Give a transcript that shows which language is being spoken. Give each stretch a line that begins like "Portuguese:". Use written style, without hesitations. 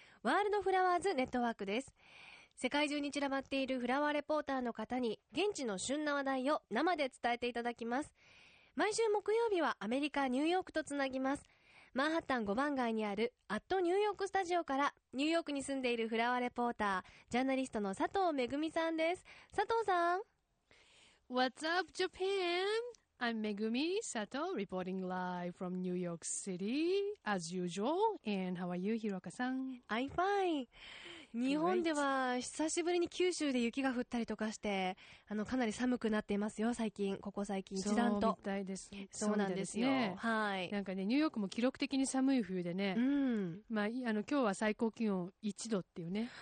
Japanese: ワールドフラワーズネットワークです。世界中に散らばっているフラワーレポーターの方に現地の旬な話題を生で伝えていただきます。毎週木曜日はアメリカ・ニューヨークとつなぎます。マンハッタン5番街にあるアットニューヨークスタジオからニューヨークに住んでいるフラワーレポータージャーナリストの佐藤めぐみさんです。佐藤さん、
English: What's up, Japan? I'm Megumi Sato, reporting live from New York City, as usual. And how are you, Hiroka-san? I'm fine.
Japanese: 日本では久しぶりに九州で雪が降ったりとかして、かなり寒くなっていますよ、最近。ここ最近、一段と。そうみたいです。そうなんですよ。はい。なんかね、ニューヨークも記録的に寒い冬でね。うん。まあ、今日は最高気温1度っていうね。